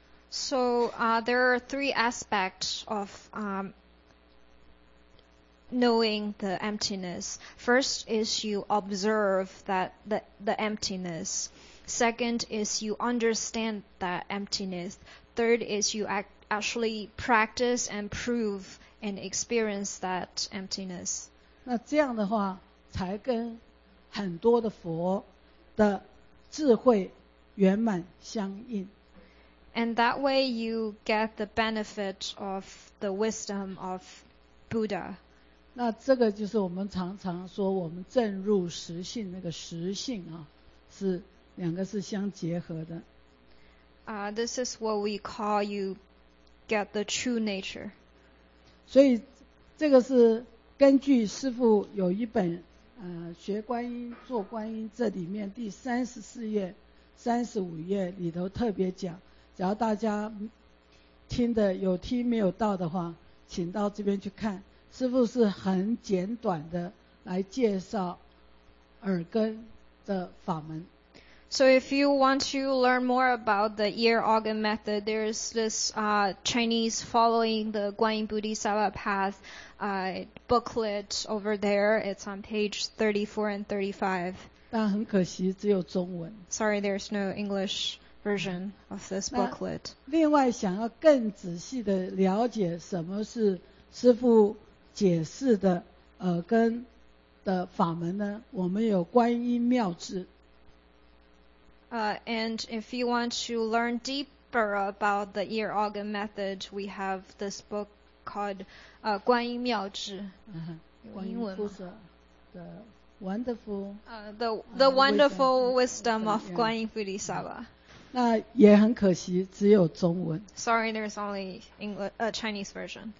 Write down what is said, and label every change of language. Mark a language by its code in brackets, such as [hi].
[en] So there are three aspects of knowing the emptiness. First is you observe that the emptiness. Second is you understand that emptiness. Third is you actually practice and prove and experience that emptiness. [zh] 那这样的话才跟很多的佛的智慧圆满相应。 [en] And that way you get the benefit of the wisdom of Buddha. [zh] 那这个就是我们常常说我们证入实性，那个实性啊，是两个是相结合的。 [en] This is what we call you get the true nature. [zh] 所以这个是根据师父有一本学观音做观音，这里面第34页35页里头特别讲，只要大家听的有听没有到的话，请到这边去看，师父是很简短的来介绍耳根的法门。 [en] So if you want to learn more about the ear organ method, there's this Chinese following the Guanyin Bodhisattva path booklet over there. It's on page 34 and 35. [zh] 但很可惜只有中文。 [en] Sorry, there's no English version of this booklet. [zh] 另外想要更仔细的了解什么是师父解释的耳根的法门呢？我们有观音妙智。 [en] And if you want to learn deeper about the ear organ method, we have this book called 观音妙智。 [zh] 观音菩萨的 [en] wonderful the wonderful wisdom of 观音菩提萨吧。 [zh] 那也很可惜只有中文。 [en] Sorry, there's only English, Chinese version.